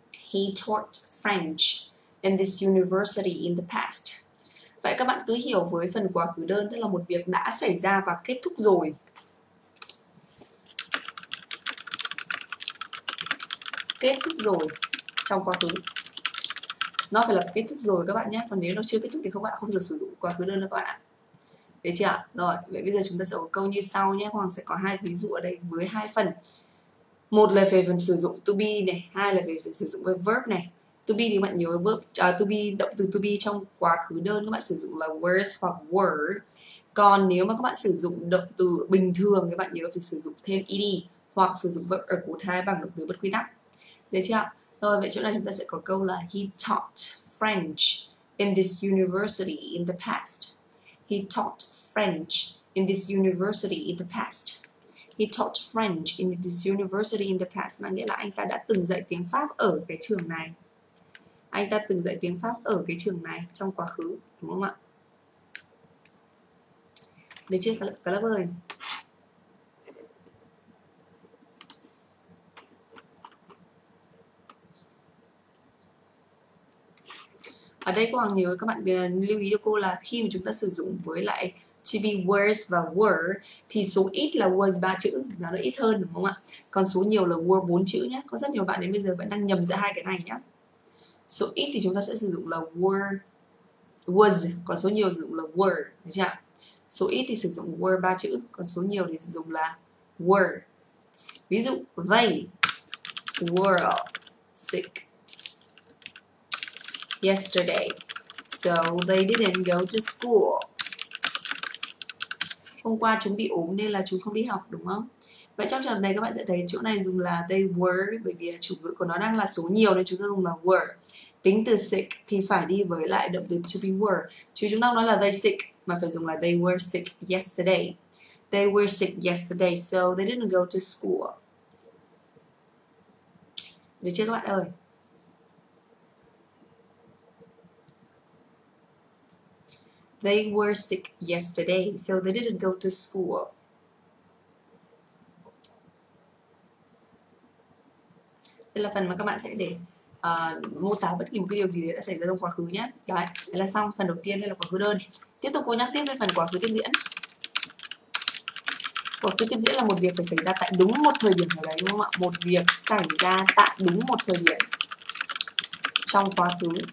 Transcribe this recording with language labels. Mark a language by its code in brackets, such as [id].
[en] He taught French in this university in the past. [vi] Vậy các bạn cứ hiểu với phần quá khứ đơn tức là một việc đã xảy ra và kết thúc rồi. Kết thúc rồi trong quá khứ. Nó phải là kết thúc rồi các bạn nhé. Còn nếu nó chưa kết thúc thì không, bạn không được sử dụng quá khứ đơn đâu các bạn ạ. Đấy chưa ạ? Rồi, vậy bây giờ chúng ta sẽ có câu như sau nhé. Hoàng sẽ có hai ví dụ ở đây với hai phần. Một là về phần sử dụng to be này. Hai là về phần sử dụng với verb này. To be thì các bạn nhớ verb, to be, động từ to be trong quá khứ đơn các bạn sử dụng là was hoặc were. Còn nếu mà các bạn sử dụng động từ bình thường các bạn nhớ phải sử dụng thêm ed hoặc sử dụng verb ở cột 2 bằng động từ bất quy tắc. Được chưa? Rồi, vậy chỗ này chúng ta sẽ có câu là [en] He taught French in this university in the past. He taught French in this university in the past. He taught French in this university in the past. [vi] Mà nghĩa là anh ta đã từng dạy tiếng Pháp ở cái trường này. Anh ta từng dạy tiếng Pháp ở cái trường này trong quá khứ, đúng không ạ? Được chưa, các lớp ơi? Ở đây cô Hoàng nhớ các bạn lưu ý cho cô là khi mà chúng ta sử dụng với lại to be was và were thì số ít là was 3 chữ, nó ít hơn đúng không ạ? Còn số nhiều là were 4 chữ nhé. Có rất nhiều bạn đến bây giờ vẫn đang nhầm giữa hai cái này nhé. Số ít thì chúng ta sẽ sử dụng là were, was, còn số nhiều sử dụng là were, được chưa? Số ít thì sử dụng were 3 chữ, còn số nhiều thì sử dụng là were. [en] Ví dụ, they were sick yesterday, so they didn't go to school. [vi] Hôm qua chúng bị ốm nên là chúng không đi học, đúng không? Vậy trong trường hợp này các bạn sẽ thấy chỗ này dùng là they were, bởi vì chủ ngữ của nó đang là số nhiều nên chúng ta dùng là were. Tính từ sick thì phải đi với lại động từ to be were. Chứ chúng ta nói là they sick mà phải dùng là [en] they were sick yesterday. They were sick yesterday, so they didn't go to school. [vi] Được chưa các bạn ơi? [en] They were sick yesterday, so they didn't go to school. [vi] Đây là phần mà các bạn sẽ để mô tả bất kỳ một cái điều gì đấy đã xảy ra trong quá khứ nhé. Đấy, đây là xong phần đầu tiên, đây là quá khứ đơn. Tiếp tục cô nhắc tiếp đến phần quá khứ tiếp diễn. Quá khứ tiếp diễn là một việc phải xảy ra tại đúng một thời điểm nào đấy, đúng không ạ? Một việc xảy ra tại đúng một thời điểm trong quá khứ.